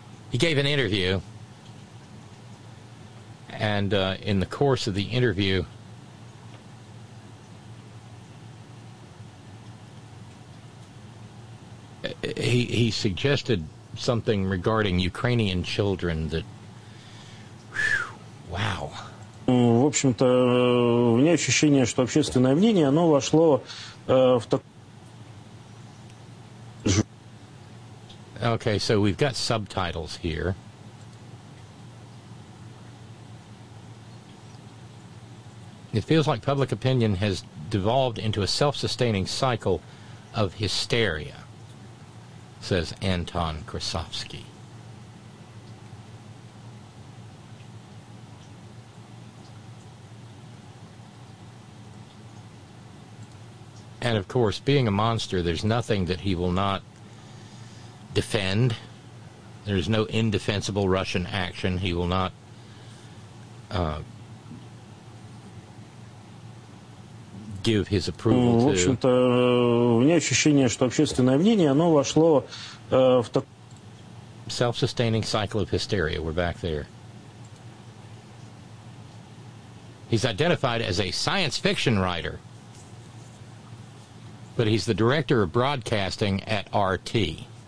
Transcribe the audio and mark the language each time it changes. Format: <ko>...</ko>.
<en>He gave an interview, and in the course of the interview, he suggested something regarding Ukrainian children that, wow.</en> <ru>В общем-то, у меня ощущение, что общественное мнение, оно вошло в так...</ru> <en>Okay, so we've got subtitles here. It feels like public opinion has devolved into a self-sustaining cycle of hysteria, says Anton Krasovsky. And of course, being a monster, there's nothing that he will not defend. There's no indefensible Russian action he will not give his approval to.</en> <ru>В общем-то, у меня ощущение, что общественное мнение, оно вошло в так...</ru> <en>Self-sustaining cycle of hysteria. We're back there. He's identified as a science fiction writer, but he's the director of broadcasting at RT.</en>